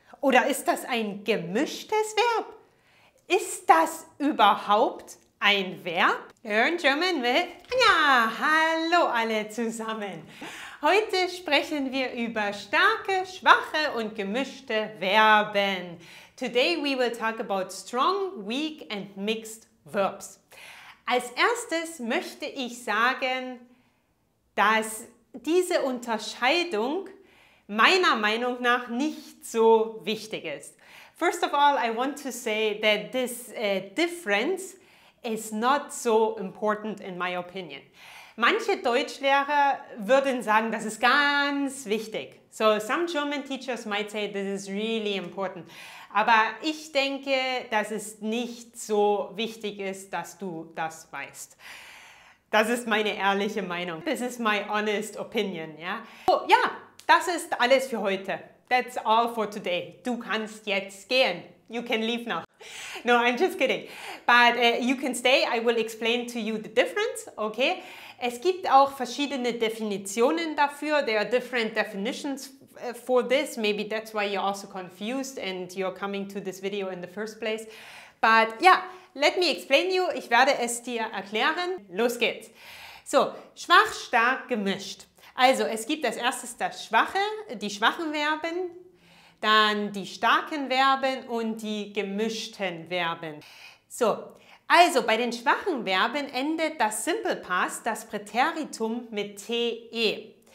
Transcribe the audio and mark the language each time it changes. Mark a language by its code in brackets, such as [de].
[de] Oder ist das ein gemischtes Verb? Ist das überhaupt ein Verb? [en] Learn German with Anja! [de] Hallo alle zusammen! Heute sprechen wir über starke, schwache und gemischte Verben. [en] Today we will talk about strong, weak and mixed verbs. [de] Als erstes möchte ich sagen, dass diese Unterscheidung meiner Meinung nach nicht so wichtig ist. [en] First of all, I want to say that this difference is not so important in my opinion. [de] Manche Deutschlehrer würden sagen, das ist ganz wichtig. [en] So some German teachers might say this is really important. [de] Aber ich denke, dass es nicht so wichtig ist, dass du das weißt. Das ist meine ehrliche Meinung. [en] This is my honest opinion, ja? Yeah? [de] Oh, ja, das ist alles für heute. [en] That's all for today. [de] Du kannst jetzt gehen. [en] You can leave now. No, I'm just kidding. But you can stay. I will explain to you the difference, okay? [de] Es gibt auch verschiedene Definitionen dafür. [en] There are different definitions for this. Maybe that's why you're also confused and you're coming to this video in the first place. But yeah, let me explain you. [de] Ich werde es dir erklären. Los geht's. [en] So, schwach, stark, gemischt. [de] Also, es gibt als erstes das Schwache, die schwachen Verben, dann die starken Verben und die gemischten Verben. So, also bei den schwachen Verben endet das Simple Past, das Präteritum mit TE.